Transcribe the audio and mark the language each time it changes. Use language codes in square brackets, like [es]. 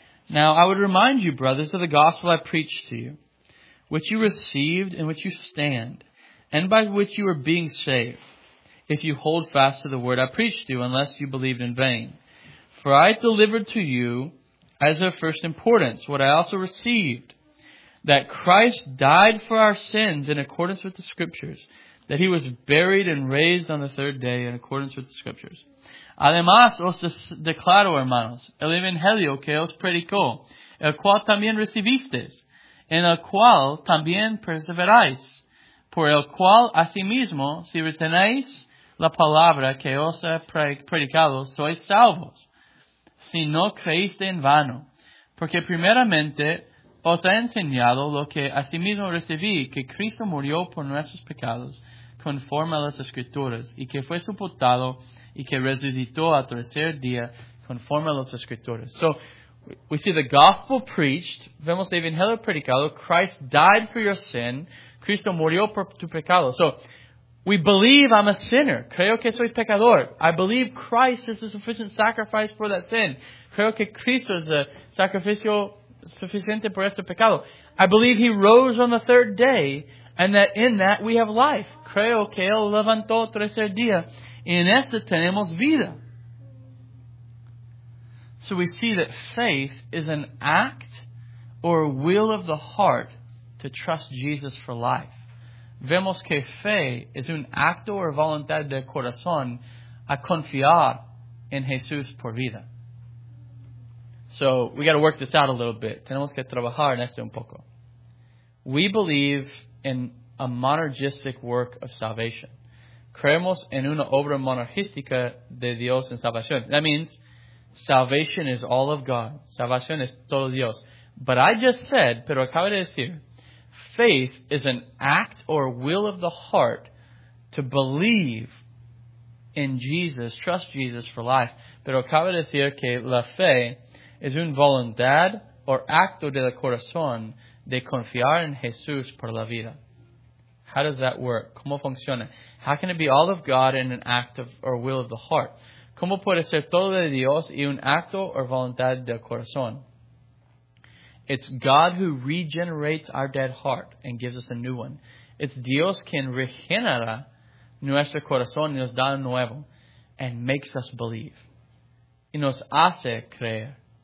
[en] Now I would remind you, brothers, of the gospel I preached to you, which you received, in which you stand, and by which you are being saved, if you hold fast to the word I preached to you, unless you believed in vain. For I delivered to you, as of first importance, what I also received, that Christ died for our sins in accordance with the Scriptures, that he was buried and raised on the third day in accordance with the Scriptures. [es] Además, os declaro, hermanos, el Evangelio que os predicó, el cual también recibisteis, en el cual también perseveráis, por el cual asimismo, si retenéis la palabra que os ha predicado, sois salvos, si no creíste en vano, porque primeramente os ha enseñado lo que asimismo recibí, que Cristo murió por nuestros pecados, conforme a las Escrituras, y que fue sepultado, y que resucitó al tercer día, conforme a las Escrituras. [en] So, we see the gospel preached, [es] vemos el Evangelio predicado, [en] Christ died for your sin, [es] Cristo murió por tu pecado. [en] So, we believe I'm a sinner, [es] creo que soy pecador, [en] I believe Christ is the sufficient sacrifice for that sin, [es] creo que Cristo es el sacrificio suficiente por este pecado. [en] I believe he rose on the third day, and that in that we have life. [es] Creo que él levantó el tercer día, y en este tenemos vida. [en] So we see that faith is an act or will of the heart to trust Jesus for life. [es] Vemos que fe es un acto o voluntad del corazón a confiar en Jesús por vida. [en] So we got to work this out a little bit. [es] Tenemos que trabajar en esto un poco. [en] We believe in a monergistic work of salvation. [es] Creemos en una obra monergística de Dios en salvación. [en] That means salvation is all of God. [es] Salvación es todo Dios. [en] But I just said, [es] pero acabo de decir, [en] faith is an act or will of the heart to believe in Jesus, trust Jesus for life. [es] Pero acabo de decir que la fe es un voluntad o acto del corazón de confiar en Jesús por la vida. [en] How does that work? [es] ¿Cómo funciona? [en] How can it be all of God and an act of or will of the heart? [es] ¿Cómo puede ser todo de Dios y un acto o voluntad del corazón? [en] It's God who regenerates our dead heart and gives us a new one. [es] It's Dios quien regenera nuestro corazón y nos da nuevo [en] and makes us believe. [es] Y nos hace creer.